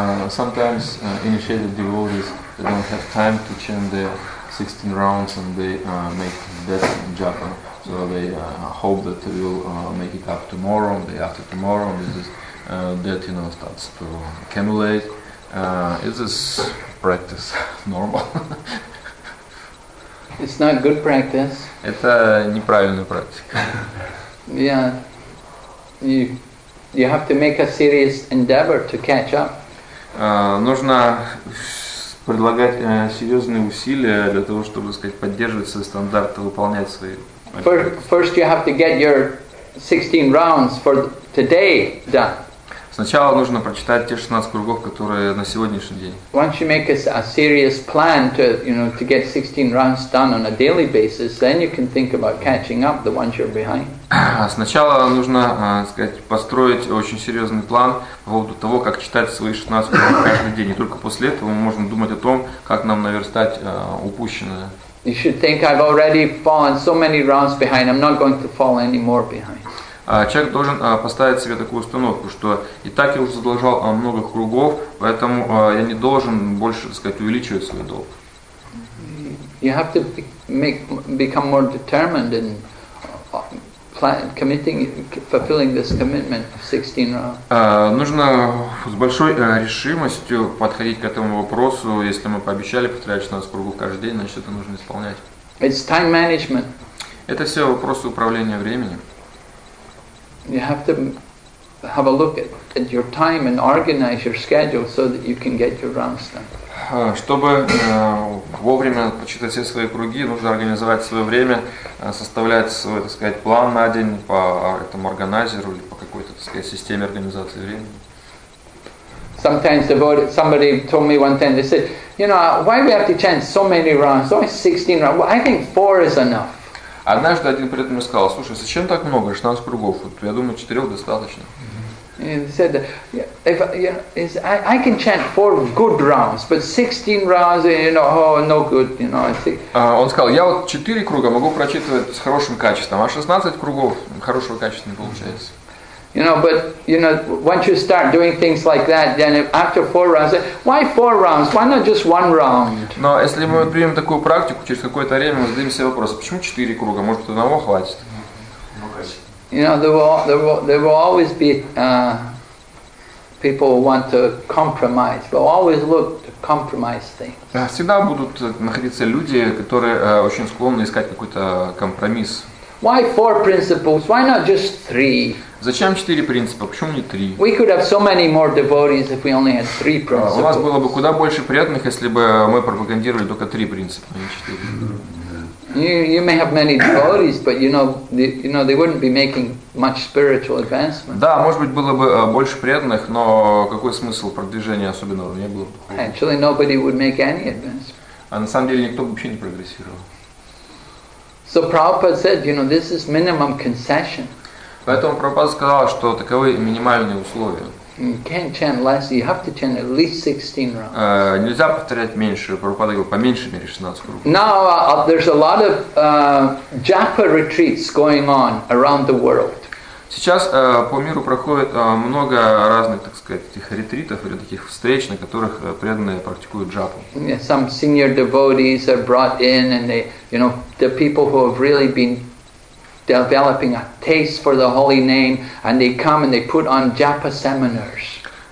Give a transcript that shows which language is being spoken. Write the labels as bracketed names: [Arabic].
[English] Sometimes initiated devotees, they don't have time to chant the 16 rounds and they make debt in Japan. So they hope that they will make it up tomorrow, the day after tomorrow. This is debt, you know, starts to accumulate. Is this practice normal? It's not good practice. [Russian] Это неправильная практика. [English] Yeah. You have to make a serious endeavor to catch up. [Russian] Нужно предлагать серьезные усилия для того, чтобы, так сказать, поддерживать свои стандарты, выполнять свои. [English] First, you have to get your 16 rounds for today done. [Russian] Сначала нужно прочитать те 16 кругов, которые на сегодняшний день. [English] Once you make a serious plan to, you know, to get 16 rounds done on a daily basis, then you can think about catching up the ones you're behind. [Russian] Сначала нужно, сказать, построить очень серьезный план по поводу того, как читать свои 16 кругов каждый день. И только после этого мы можем думать о том, как нам наверстать упущенное. [English] You should think, I've already fallen so many rounds behind, I'm not going to fall any more behind. [Russian] Человек должен поставить себе такую установку, что и так я уже задолжал много кругов, поэтому я не должен больше, так сказать, увеличивать свой долг. [English] You have to become more determined in committing, fulfilling this commitment of 16 rounds. [Russian] Нужно с большой решимостью подходить к этому вопросу. Если мы пообещали повторять 16 кругов каждый день, значит, это нужно исполнять. [English] It's time management. [Russian] Это все вопросы управления временем. [English] You have to have a look at your time and organize your schedule so that you can get your rounds done. [Russian] Чтобы вовремя почитать все свои круги, нужно организовать свое время, составлять свой, так сказать, план на день по этому органайзеру или по какой-то, так сказать, системе организации времени. [English] Sometimes somebody told me one time, they said, you know, why we have to chant so many rounds? Only 16 rounds. Well, I think 4 is enough. [Russian] Однажды один предмет мне сказал, слушай, зачем так много, 16 кругов? Вот, я думаю, 4 достаточно. [English] He said, if I can chant 4 good rounds, but 16 rounds, you know, oh, no good, you know, I think. [Russian] Он сказал, я вот 4 круга могу прочитывать с хорошим качеством, а 16 кругов хорошего качества не получается. [English] You know, but, you know, once you start doing things like that, then after 4 rounds, why 4 rounds? Why not just 1 round? [Russian] Но если мы примем такую практику, через какое-то время мы зададим себе вопрос, почему 4 круга? Может, одного хватит? [English] You know, there will always be people who want to compromise. But always look to compromise things. [Russian] Всегда будут находиться люди, которые очень склонны искать какой-то компромисс. [English] Why 4 principles? Why not just 3? [Russian] Зачем 4 принципа? Почему не 3? [English] We could have so many more devotees if we only had 3 principles. [Russian] У нас было бы куда больше преданных, если бы мы пропагандировали только 3 принципа, а не 4. [English] You may have many devotees, but you know they wouldn't be making much spiritual advancement. [Russian] Да, может быть, было бы больше преданных, но какой смысл продвижения особенного не было? [English] Actually, nobody would make any advancement. [Russian] А на самом деле никто бы вообще не прогрессировал. [English] So Prabhupada said, you know, this is minimum concession. [Russian] Поэтому Прабхупада сказал, что таковы минимальные условия. [English] You can't chant less, you have to chant at least 16 rounds. [Russian] Нельзя повторять меньше, Прабхупада говорил, по меньшей мере 16 кругов. [English] Now there's a lot of japa retreats going on around the world. [Russian] Сейчас по миру проходит много разных, так сказать, этих ретритов или таких встреч, на которых преданные практикуют джапу. [English] Yeah, some senior devotees are brought in and they, you know, the people who have really been developing a taste for the holy name, and they come and they put on japa seminars.